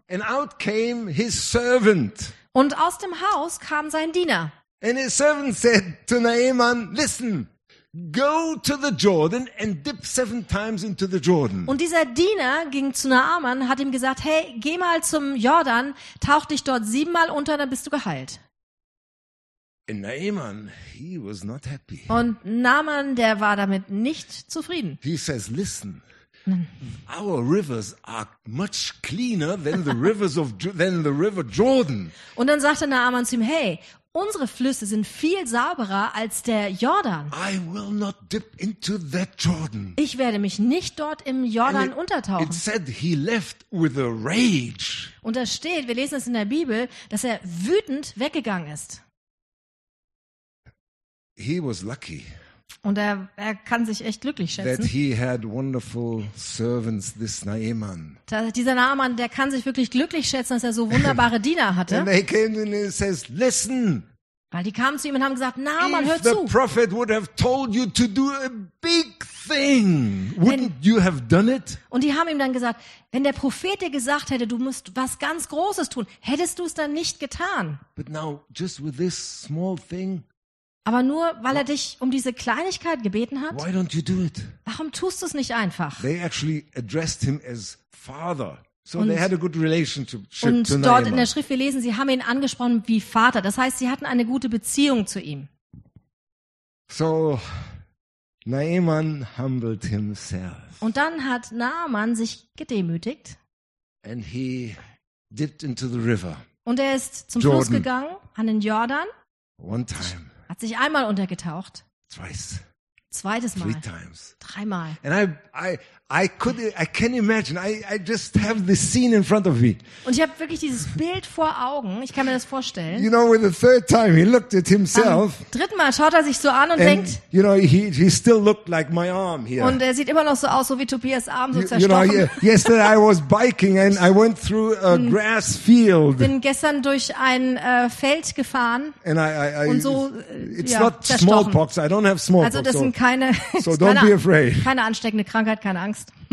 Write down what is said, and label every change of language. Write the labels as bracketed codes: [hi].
[en] And out came his servant. [de] Und aus dem Haus kam sein Diener. [en] And his servant said to Naaman, listen. Go to the Jordan and dip 7 times into the Jordan. [de] Und dieser Diener ging zu Naaman, hat ihm gesagt, hey, geh mal zum Jordan, tauch dich dort 7-mal unter, dann bist du geheilt. [en] And Naaman, he was not happy. [de] Und Naaman, der war damit nicht zufrieden. [en] He says, listen. Our rivers are much cleaner than the rivers of than the river Jordan. [de] Und dann sagte Naaman zu ihm, hey, unsere Flüsse sind viel sauberer als der Jordan. [en] I will not dip into that Jordan. [de] Ich werde mich nicht dort im Jordan untertauchen. [en] It said he left with a rage. [de] Und da steht, wir lesen es in der Bibel, dass er wütend weggegangen ist. [en] He was lucky. [de] Und er kann sich echt glücklich schätzen. [en] That he had wonderful servants, this Naaman. [de] Dieser Naaman, der kann sich wirklich glücklich schätzen, dass er so wunderbare Diener hatte. [en] And they came to him and says, listen. [de] Weil die kamen zu ihm und haben gesagt, Naaman, hör zu. [en] If the prophet would have told you to do a big thing, wouldn't you have done it? [de] Und die haben ihm dann gesagt, wenn der Prophet dir gesagt hätte, du musst was ganz Großes tun, hättest du es dann nicht getan? [en] But now, just with this small thing. [de] Aber nur, weil er dich um diese Kleinigkeit gebeten hat? [en] Why don't you do it? [de] Warum tust du es nicht einfach? [en] They actually addressed him as father. So they had a good relationship to Naaman. [de] Und dort in der Schrift, wir lesen, sie haben ihn angesprochen wie Vater. Das heißt, sie hatten eine gute Beziehung zu ihm. [en] So, Naaman humbled himself. [de] Und dann hat Naaman sich gedemütigt. [en] And he dipped into the river. [de] Und er ist zum Jordan. Fluss gegangen, an den Jordan. [en] One time. [de] Hat sich einmal untergetaucht. [en] Twice. [de] Zweites Mal. [en] Three times. [de] Dreimal. [en] And I can imagine. I just have this scene in front of me. [de] Und ich habe wirklich dieses Bild vor Augen. Ich kann mir das vorstellen. [en] You know, when the third time he looked at himself. [de] Am dritten Mal schaut er sich so an und denkt. [en] You know, he still looked like my arm here. [de] Und er sieht immer noch so aus, so wie Tobias' Arm, so zerstochen. [en] You know, yesterday I was biking and I went through a grass field. [de] Bin gestern durch ein Feld gefahren. [en] And I [de] und so, [en] it's [de] ja, [en] not [de] zerstochen. [en] Smallpox. I don't have smallpox. [de] Also das sind keine. [en] So don't be afraid. [de] Keine ansteckende Krankheit, keine Angst.